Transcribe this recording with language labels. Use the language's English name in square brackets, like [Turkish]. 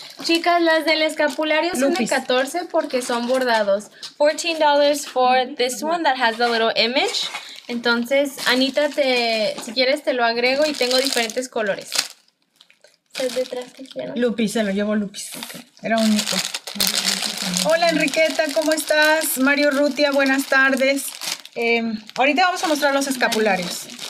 [Spanish] Chicas, las del escapulario son Lupis. De 14 porque son bordados. [English] $14 for this one that has the little image. [Spanish] Entonces, Anita, si quieres te lo agrego y tengo diferentes colores. ¿Es detrás que quiero? Lupis, se lo llevo Lupis. Okay. Era único. Hola, Enriqueta, ¿cómo estás? Mario Rutia, buenas tardes. Ahorita vamos a mostrar los escapularios.